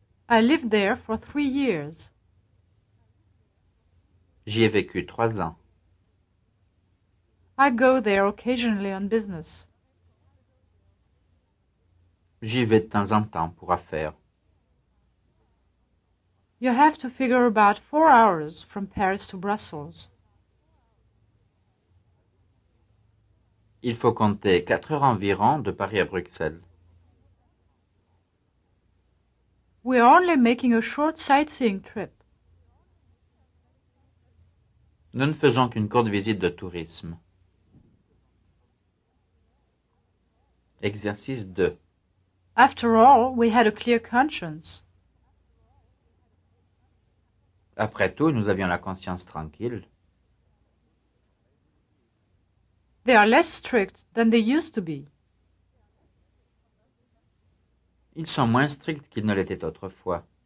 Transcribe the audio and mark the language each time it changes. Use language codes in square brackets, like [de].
[en] I lived there for 3 years. [fr] J'y ai vécu 3 ans. [en] I go there occasionally on business. [fr] J'y vais de temps en temps pour affaires. [en] You have to figure about 4 hours from Paris to Brussels. [fr] Il faut compter 4 heures environ de Paris à Bruxelles. [en] We are only making a short sightseeing trip. [fr] Nous ne faisons qu'une courte visite de tourisme. Exercice 2. [en] After all, we had a clear conscience. [fr] Après tout, nous avions la conscience tranquille. [en] They are less strict than they used to be. [fr] Ils sont moins stricts qu'ils ne l'étaient autrefois.